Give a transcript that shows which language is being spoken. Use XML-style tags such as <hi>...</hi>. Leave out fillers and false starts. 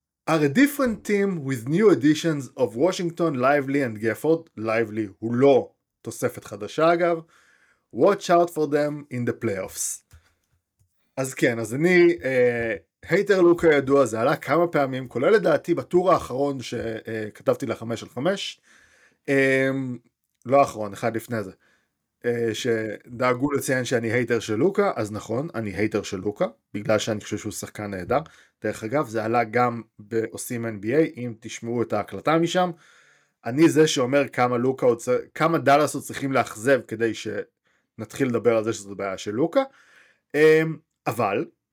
<en>Are a different team with new additions of Washington, Lively and Gafford.</en> <he>Lively הוא לא תוספת חדשה אגב.</he> <en>Watch out for them in the playoffs.</en> <he>אז כן, אז אני, הייטר לוקה ידוע, זה עלה כמה פעמים, כולל לדעתי בטור האחרון שכתבתי לחמש על חמש, לא האחרון, אחד לפני זה, שדאגו לציין שאני הייטר של לוקה, אז נכון, אני הייטר של לוקה, בגלל שאני חושב שהוא שחקן נהדר, דרך אגב, זה עלה גם בעושים NBA, אם תשמעו את ההקלטה משם, אני זה שאומר כמה לוקה, כמה דלס הוא צריכים להחזב, כדי שנתחיל לדבר על זה שזו בעיה של לוקה, אבל</he>